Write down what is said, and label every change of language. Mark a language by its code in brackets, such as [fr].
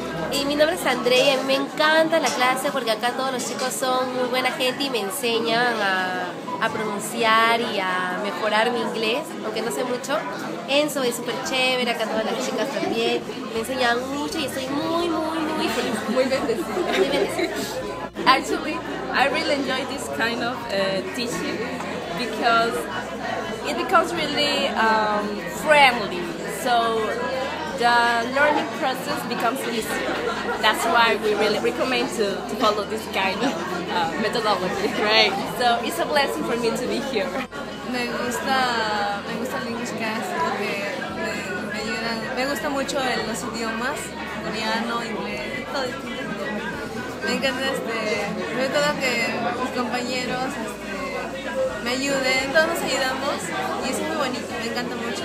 [es] Y mi nombre es Andrea y me encanta la clase porque acá todos los chicos son muy buena gente y me enseñan a pronunciar y a mejorar mi inglés, aunque no sé mucho. Enzo es súper chévere, acá todas las chicas también me enseñan mucho y estoy muy, muy, muy feliz. Muy bendecida. [en] Actually, I really enjoy this kind of teaching because it becomes really friendly. So the learning process becomes easier. That's why we really recommend to follow this kind of methodology. Right. So it's a blessing for me to be here. [es] Me gusta LanguageCast porque me ayudan. Me gusta mucho los idiomas, coreano, inglés, todo distinto. Me encanta sobre todo que mis compañeros me ayuden, todos nos ayudamos y es muy bonito, me encanta mucho.